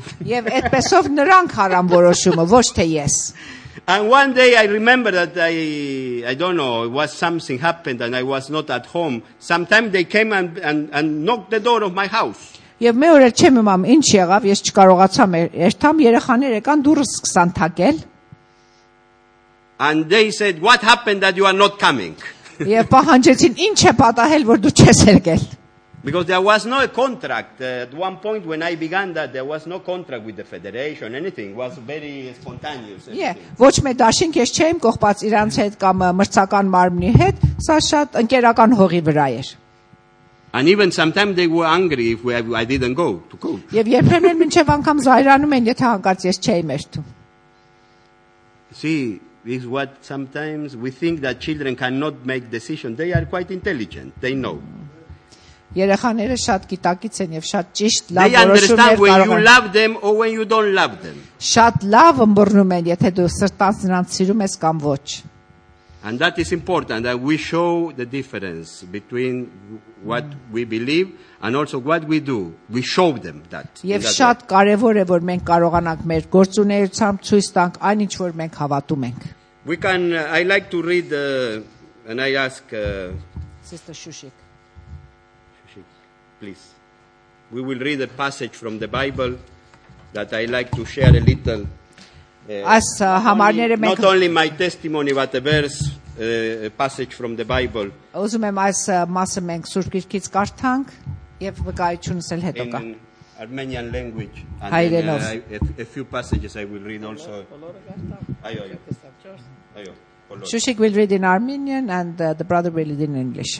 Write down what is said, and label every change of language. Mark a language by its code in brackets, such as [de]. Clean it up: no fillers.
[hy] Եվ այդպեսով նրանք հարան որոշումը, ոչ թե ես. [en] And one day I remember that I don't know, it was something happened and I was not at home. Sometimes they came and knocked the door of my house. [hy] Եվ մի օր չեմ իմանում ինչ եղավ, ես չկարողացա երթամ երեխաները եկան դուրս սկսան թակել։ [en] And they said, what happened that you are not coming? [hy] Եվ պահանջեցին, ինչ է պատահել, որ դու չես եկել։ [en] Because there was no contract at one point when I began that there was no contract with the federation anything it was very spontaneous. [hy] Yeah, ոչ մի դաշինք ես չեմ կողպած իրանց հետ կամ մրցական մարմնի հետ, սա շատ ընկերական հողի վրա էր։ [en] And even sometimes they were angry if I didn't go to coach. [hy] Եվ երբեմն մինչև անգամ զայրանում են, եթե հանկարծ ես չեի մերթում։ [en] See, this is what sometimes we think that children cannot make decision. They are quite intelligent. They know. [hy] Երեխաները շատ գիտակից են եւ շատ ճիշտ լավ որոշումներ կարող են ունենալ։ [en] They understand when you love them or when you don't love them. [hy] Շատ լավ ըմբռնում են, եթե դու սրտած նրանց սիրում ես կամ ոչ։ [en] And that is important that we show the difference between what we believe and also what we do. We show them that. [hy] Եվ շատ կարևոր է որ մենք կարողանանք մեր գործունեությամբ ցույց տանք այն ինչ որ մենք հավատում ենք։ [en] We can I like to read and I ask Sister Shushik. Shushik, please. We will read a passage from the Bible that I like to share a little. [hy] As համարները մենք [en] Not only my testimony but a verse a passage from the Bible. [hy] Ուզում եմ այս մասը մենք սուրբ գրքից կարդանք եւ վկայությունս էլ հետո կա. [en] Armenian language [hy] and Հայրենով. [en] A few passages I will read also. [hy] Այո, այո. [en] Շուշիկ will read in Armenian and the brother will read in English.